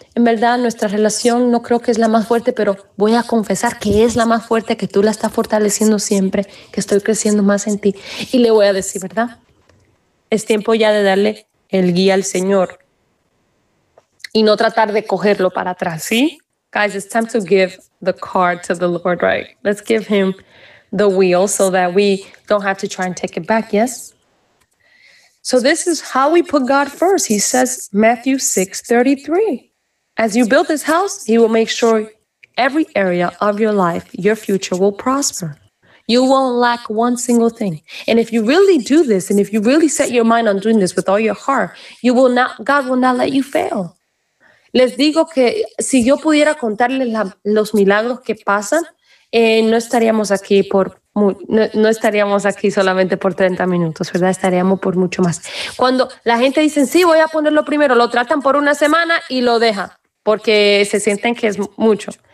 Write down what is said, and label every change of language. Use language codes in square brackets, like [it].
[es] En verdad, nuestra relación no creo que es la más fuerte, pero voy a confesar que es la más fuerte, que tú la estás fortaleciendo siempre, que estoy creciendo más en ti. Y le voy a decir, ¿verdad? Es tiempo ya de darle el guía al Señor y no tratar de cogerlo para atrás, ¿sí? [en] Guys, it's time to give the car to the Lord, right? Let's give Him the wheel so that we don't have to try and take it back, ¿yes? So this is how we put God first. He says, Matthew 6:33. As you build this house, He will make sure every area of your life, your future will prosper. You won't lack one single thing. And if you really do this, and if you really set your mind on doing this with all your heart, you will not, God will not let you fail. [es] Les digo que si yo pudiera contarles los milagros que pasan, no estaríamos aquí por no estaríamos aquí solamente por 30 minutos, ¿verdad? Estaríamos por mucho más. Cuando la gente dice, sí, voy a ponerlo primero, lo tratan por una semana y lo dejan porque se sienten que es mucho.